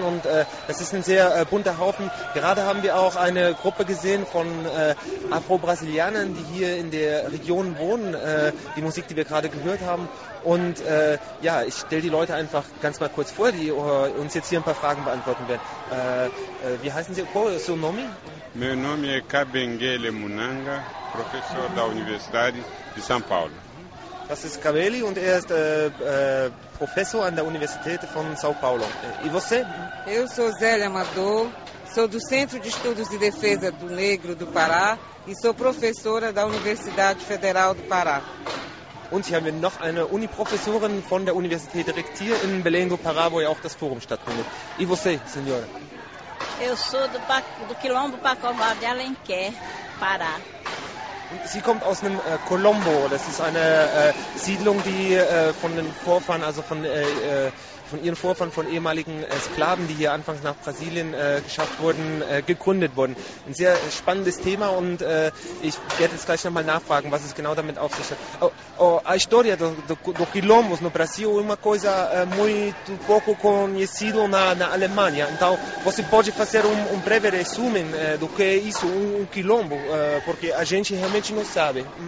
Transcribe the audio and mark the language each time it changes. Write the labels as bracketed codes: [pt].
[de] Und das ist ein sehr bunter Haufen. Gerade haben wir auch eine Gruppe gesehen von Afro-Brasilianern, die hier in der Region wohnen, die Musik, die wir gerade gehört haben. Und ich stelle die Leute einfach ganz mal kurz vor, die uns jetzt hier ein paar Fragen beantworten werden. Wie heißen Sie? [pt] Qual é o seu nome? Meu nome é Kabengele Munanga, professor da Universidade de São Paulo. [de] Das ist Kabengele und er ist professor an der Universität von São Paulo. [pt] E você? Eu sou Zélia Amador, sou do Centro de Estudos de Defesa do Negro do Pará e sou professora da Universidade Federal do Pará. [de] Und hier haben wir noch eine Uni-Professorin von der Universität direkt hier in Belém do Pará, wo ja auch das Forum stattfindet. [pt] E você, senhora? Eu sou do Quilombo Pacobá de Alenquer, Pará. [de] Sie kommt aus einem Colombo. Das ist eine Siedlung, die von den Vorfahren, also von ihren Vorfahren, von ehemaligen Sklaven, die hier anfangs nach Brasilien geschafft wurden, gegründet wurden. Ein sehr spannendes Thema und ich werde jetzt gleich nochmal nachfragen, was es genau damit auf sich hat. [pt] A história do quilombos no Brasil é uma coisa muito pouco conhecida na Alemanha. Então, você pode fazer um breve resumo do que é isso, um quilombo, porque a gente realmente não sabe.